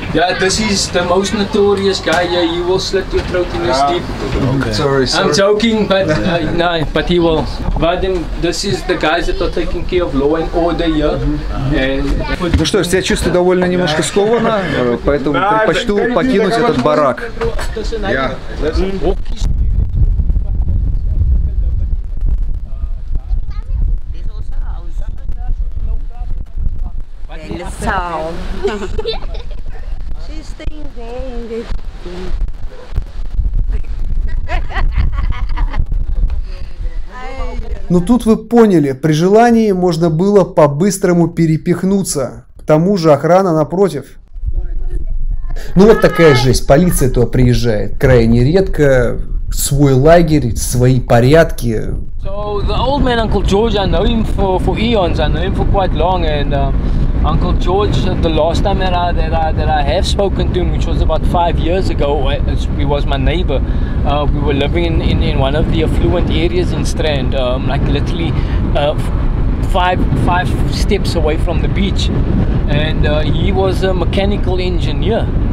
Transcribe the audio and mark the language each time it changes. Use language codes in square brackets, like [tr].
[en] Я, this is the most notorious guy, yeah, you will slit your throat in your sleep. Okay. Sorry, sir. I'm joking, but, no, but he will. Vadim, this is the guys that are taking care of law and order, yeah? [ru] Ну что ж, я чувствую довольно немножко скованно, поэтому предпочту покинуть этот барак. Я. Ну тут вы поняли, при желании можно было по-быстрому перепихнуться, к тому же охрана напротив. Ну вот такая жесть, полиция туда приезжает крайне редко, свой лагерь, свои порядки. [en] So the old man Uncle George, I know him for eons, I know him for quite long, and Uncle George, the last time that I have spoken to him, which was about 5 years ago, he was my neighbor. We were living in one of the affluent areas in Strand, like literally five steps away from the beach, and he was a mechanical engineer.